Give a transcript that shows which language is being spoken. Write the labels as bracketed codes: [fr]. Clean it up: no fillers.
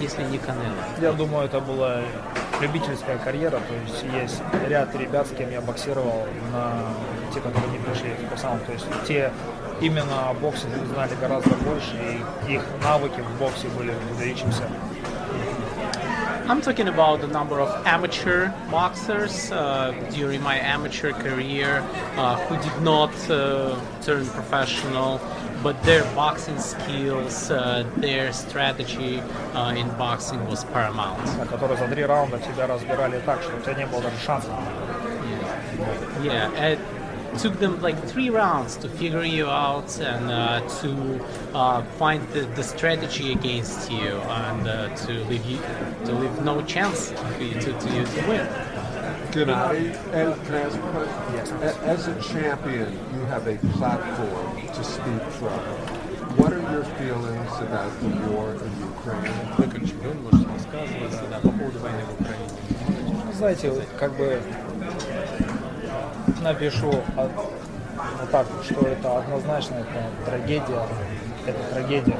[ru] если не Канело? Я думаю, это была любительская карьера, то есть есть ряд ребят, с кем я боксировал, на те, которые не пришли в Пасан. То есть те именно о боксе знали гораздо больше, и их навыки в боксе были выдающимся. [en] I'm talking about the number of amateur boxers during my amateur career who did not turn professional, but their boxing skills, their strategy in boxing was paramount. [ru] Которые за 3 раунда тебя разбирали так, что у тебя не было даже шанса. [en] Yeah, it took them like 3 rounds to figure you out and to find the strategy against you and to leave no chance to you to win. Gennadiy, and can I ask a question? Yes. As a champion, you have a platform to speak from. What are your feelings about the war in Ukraine? [ru] Вы как чемпион можете рассказывать по поводу войны в Украине. Знаете, как бы напишу вот так, что это однозначно, это трагедия. Это трагедия.